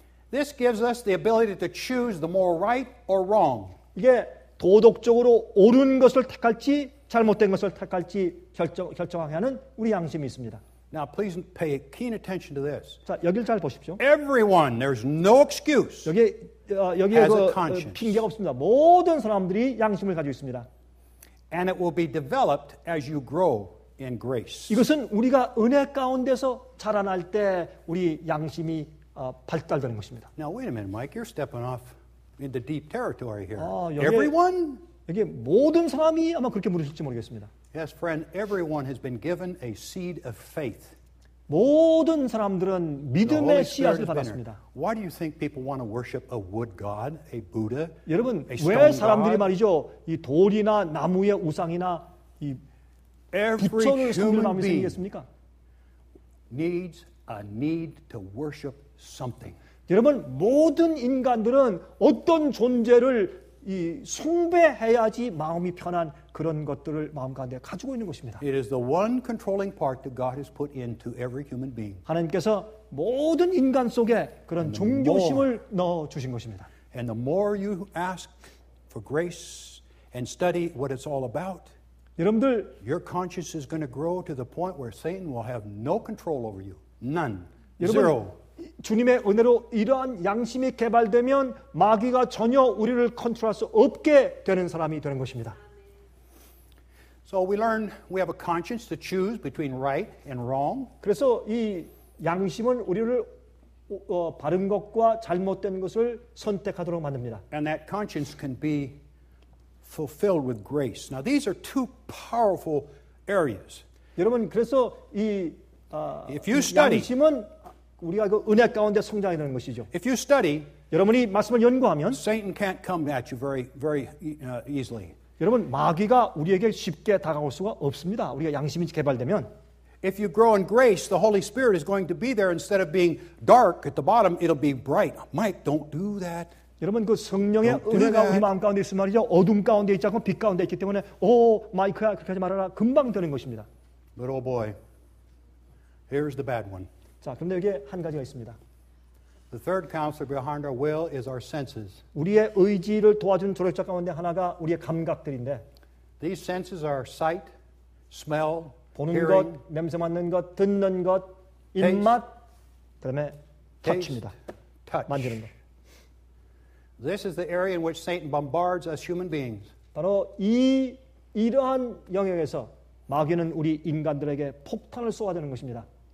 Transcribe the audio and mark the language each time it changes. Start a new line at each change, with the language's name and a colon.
English: This gives us the ability to choose the more right or wrong.
Korean: 이게 도덕적으로 옳은 것을 택할지 잘못된 것을 택할지 결정하게 하는 우리 양심이 있습니다.
English: Now please pay keen attention to this.
Korean: 자, 여기를 잘 보십시오.
English: Everyone, there's no excuse.
Korean: 여기에 그 핑계가 없습니다. 모든 사람들이 양심을 가지고 있습니다.
English: And it will be developed as you grow. In grace.
Korean: 이것은 우리가 은혜 가운데서 자라날 때 우리 양심이 발달되는 것입니다.
English: Now wait a minute, Mike. You're stepping off into deep territory here. Everyone?
Korean: 이게 모든 사람이 아마 그렇게 물으실지 모르겠습니다.
English: Yes, friend. Everyone has been given a seed of faith.
Korean: 모든 사람들은 믿음의 씨앗을 받았습니다.
English: Why do you think people want to worship a wood god, a Buddha?
Korean: 여러분, 왜 사람들이 말이죠 이 돌이나 나무의 우상이나 이
English: Every human being needs a need to worship something.
Korean: 여러분 모든 인간들은 어떤 존재를 이 숭배해야지 마음이 편한 그런 것들을 마음 가운데 가지고 있는 것입니다.
English: It is the one controlling part that God has put into every human being.
Korean: 하나님께서 모든 인간 속에 그런 종교심을 넣어 주신 것입니다.
English: And the more you ask for grace and study what it's all about.
Korean: 여러분들,
English: your conscience is going to grow to the point where Satan will have no control over you. None.
Korean: 여러분,
English: Zero.
Korean: 주님의 은혜로 이러한 양심이 개발되면 마귀가 전혀 우리를 컨트롤할 수 없게 되는 사람이 되는 것입니다.
English: So we learn we have a conscience to choose between right and wrong.
Korean: 그래서 이 양심은 우리를 바른 것과 잘못된 것을 선택하도록 만듭니다.
English: And that conscience can be fulfilled with grace. Now these are two powerful areas.
Korean: 여러분 그래서 이
English: if you study,
Korean: 양심은 우리가 그 은혜 가운데 성장해 되는 것이죠.
English: If you study,
Korean: 여러분이 말씀을 연구하면
English: Satan can't come at you very easily.
Korean: 여러분 마귀가 우리에게 쉽게 다가올 수가 없습니다. 우리가 양심이 개발되면
English: If you grow in grace, the Holy Spirit is going to be there instead of being dark at the bottom, it'll be bright. Mike, don't do that.
Korean: 여러분 그 성령의 은혜가 우리 마음 가운데 있으면 말이죠. 어둠 가운데 있지 않고 빛 가운데 있기 때문에 오 마이크야 그렇게 하지 말아라 금방 되는 것입니다.
English: But oh boy, here's the bad one.
Korean: 자, 그런데 여기에 한 가지가 있습니다.
English: The third counselor behind our will is our senses.
Korean: 우리의 의지를 도와주는 조력자 가운데 하나가 우리의 감각들인데
English: These senses are sight, smell,
Korean: 보는
English: hearing,
Korean: 것, 냄새 맡는 것, 듣는 것, 입맛, 그 다음에 터치입니다. 만지는 것.
English: This is the area in which Satan bombards us human beings.
Korean: 바로 이러한 영역에서 마귀는 우리 인간들에게 폭탄을 쏘아대는 것입니다.